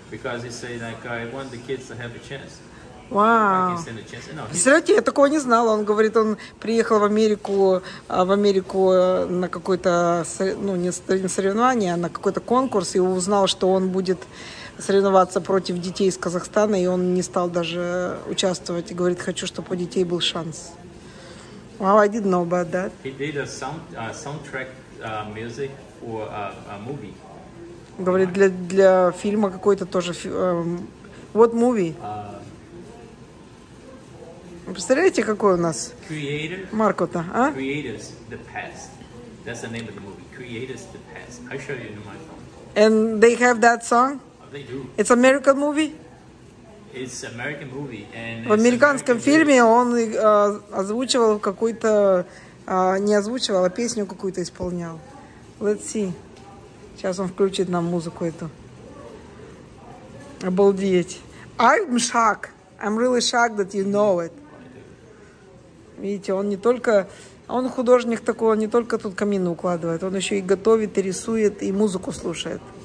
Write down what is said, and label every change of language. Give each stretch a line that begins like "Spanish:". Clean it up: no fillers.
English: Because he said, like, I want the kids to have a chance.
Russian: Вау. Представляете, я такого не знала. Он говорит, он приехал в Америку на какое-то, ну, не соревнование, а на какой-то конкурс, и узнал, что он будет соревноваться против детей из Казахстана, и он не стал даже участвовать. И говорит, хочу, чтобы у детей был шанс.
English: Вау, I didn't know about that. He did a soundtrack music for a movie.
Russian: Говорит, для фильма какой-то тоже.
English: What movie?
Russian: Представляете, какой у нас Марко-то, а?
English: Creators, the past. That's the name of the movie. Creators, the past. I'll show you in my phone. And they have that song? They do. It's American movie? It's American movie. And
Russian: в американском фильме он озвучивал какую-то... не озвучивал, а песню какую-то исполнял.
English: Let's see.
Russian: Сейчас он включит нам музыку эту. Обалдеть.
English: I'm shocked. I'm really shocked that you know it.
Russian: Видите, он не только, он художник такой, он не только тут камины укладывает, он еще и готовит, и рисует, и музыку слушает.